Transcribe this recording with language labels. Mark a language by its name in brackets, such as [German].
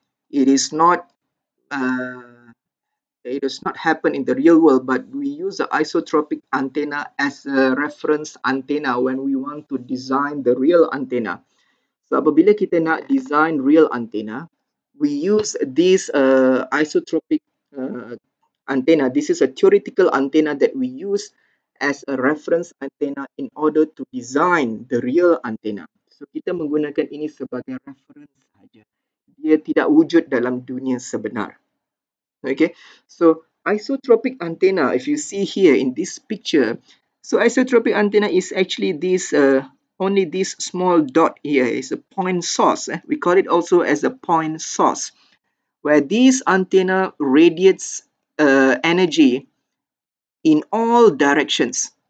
[English] It does not happen in the real world, but we use the isotropic antenna as a reference antenna when we want to design the real antenna. [Malay] So apabila kita nak design real antenna, [English] we use this isotropic antenna. This is a theoretical antenna that we use as a reference antenna in order to design the real antenna. [Malay] So kita menggunakan ini sebagai reference saja. Dia tidak wujud dalam dunia sebenar. Okay. [English] So isotropic antenna, if you see here in this picture, so isotropic antenna is actually this only this small dot here is a point source. We call it also as a point source, where this antenna radiates energy in all directions.